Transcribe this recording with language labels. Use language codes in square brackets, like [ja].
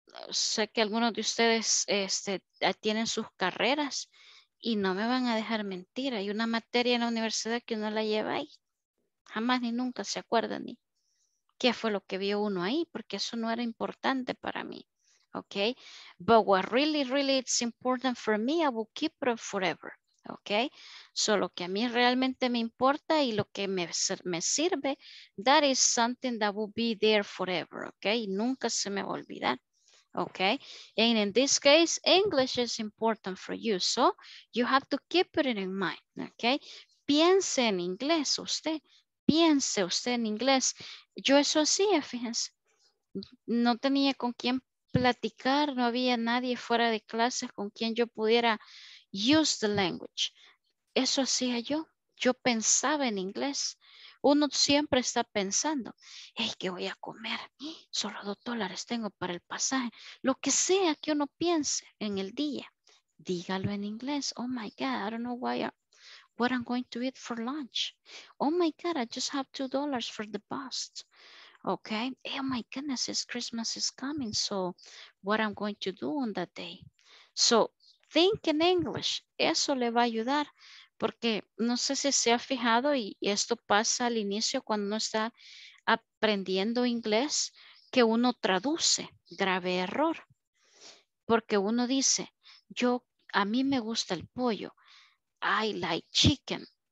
[es] Sé que algunos de ustedes tienen sus carreras y no me van a dejar mentir. Hay una materia en la universidad que uno la lleva ahí. Jamás ni nunca se acuerdan ni qué fue lo que vio uno ahí, porque eso no era importante para mí. Ok. [en] But what really, really it's important for me, I will keep it forever. [es] Ok. So lo que a mí realmente me importa y lo que me sirve, [en] that is something that will be there forever. [es] Ok. Y nunca se me va a olvidar. [en] Okay, and in this case, English is important for you, so you have to keep it in mind, okay? [es] Piense en inglés usted, piense usted en inglés. Yo eso hacía, fíjense, no tenía con quién platicar, no había nadie fuera de clases con quien yo pudiera [en] use the language. [es] Eso hacía yo, yo pensaba en inglés. Uno siempre está pensando, hey, ¿qué voy a comer? Solo $2 tengo para el pasaje. Lo que sea que uno piense en el día, dígalo en inglés. [en] Oh my God, I don't know why what I'm going to eat for lunch. Oh my God, I just have $2 for the bus. Okay. Hey, oh my goodness, it's Christmas is coming. So what I'm going to do on that day. So think in English. [es] Eso le va a ayudar. Porque no sé si se ha fijado y esto pasa al inicio cuando uno está aprendiendo inglés, que uno traduce, grave error. Porque uno dice, yo, a mí me gusta el pollo, [en] I like chicken.